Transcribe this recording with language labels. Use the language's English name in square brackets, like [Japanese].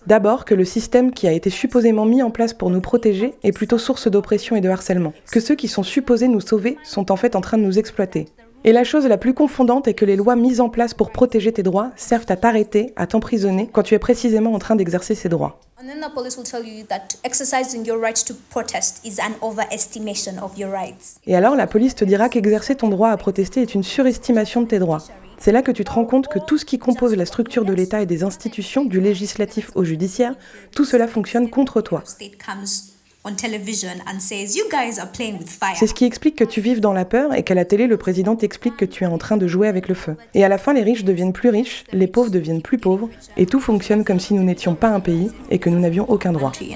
[French] D'abord, que le système qui a été supposément mis en place pour nous protéger est plutôt source d'oppression et de harcèlement. Que ceux qui sont supposés nous sauver sont en fait en train de nous exploiter. Et la chose la plus confondante est que les lois mises en place pour protéger tes droits servent à t'arrêter, à t'emprisonner, quand tu es précisément en train d'exercer ces droits. [English] And then the police will tell you that exercising your right to protest is an overestimation of your rights. [French] Et alors la police te dira qu'exercer ton droit à protester est une surestimation de tes droits. C'est là que tu te rends compte que tout ce qui compose la structure de l'État et des institutions, du législatif au judiciaire, tout cela fonctionne contre toi. [English] On television and says you guys are playing with fire. [French] C'est ce qui explique que tu vives dans la peur et qu'à la télé le président t'explique que tu es en train de jouer avec le feu. Et à la fin les riches deviennent plus riches, les pauvres deviennent plus pauvres et tout fonctionne comme si nous n'étions pas un pays et que nous n'avions aucun droit.